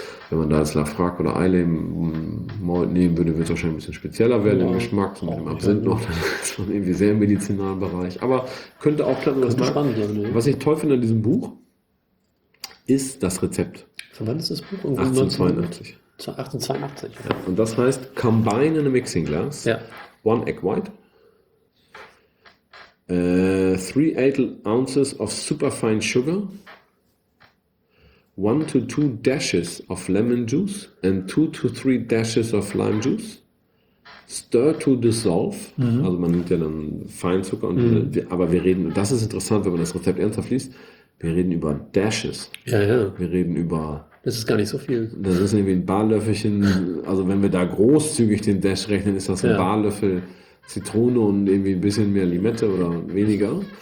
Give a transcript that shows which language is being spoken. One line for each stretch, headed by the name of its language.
German: Wenn man da das Lafrak oder Eileen Malt nehmen würde, wird es wahrscheinlich ein bisschen spezieller werden, genau, im Geschmack, so mit dem Absinth noch. Das ist schon irgendwie sehr im medizinalen Bereich. Aber könnte auch klappen. Das spannend sein, ne? Was ich toll finde an diesem Buch, ist das Rezept. Von wann ist das Buch? Irgendwie 1882. 1882. Ja, und das heißt,
English: combine in a mixing glass,
German: ja,
English: one egg white, 3/8 ounces of super fine sugar, 1 to 2 dashes of lemon juice and 2 to 3 dashes of lime juice. Stir to dissolve.
German: Mhm. Also man nimmt ja dann Feinzucker. Und aber wir reden, das ist interessant, wenn man das Rezept ernsthaft liest, wir reden über Dashes. Ja, ja. Wir reden über... Das ist gar nicht so viel. Das ist irgendwie ein Barlöffelchen. Also wenn wir da großzügig den Dash rechnen, ist das ein, ja, Barlöffel Zitrone und irgendwie ein bisschen mehr Limette oder weniger.